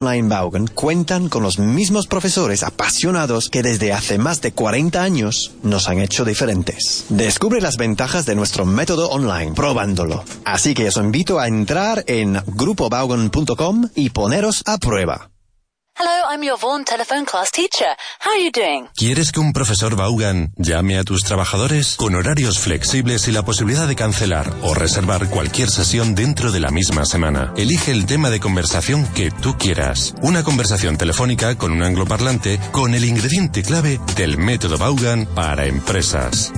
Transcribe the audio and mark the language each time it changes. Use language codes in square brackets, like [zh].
[es] Online Vaughan cuentan con los mismos profesores apasionados que desde hace más de 40 años nos han hecho diferentes. Descubre las ventajas de nuestro método online probándolo. Así que os invito a entrar en grupovaughan.com y poneros a prueba. [en] Hello, I'm your Vaughan telephone class teacher. How are you doing? [es] ¿Quieres que un profesor Vaughan llame a tus trabajadores? Con horarios flexibles y la posibilidad de cancelar o reservar cualquier sesión dentro de la misma semana. Elige el tema de conversación que tú quieras. Una conversación telefónica con un angloparlante con el ingrediente clave del método Vaughan para empresas.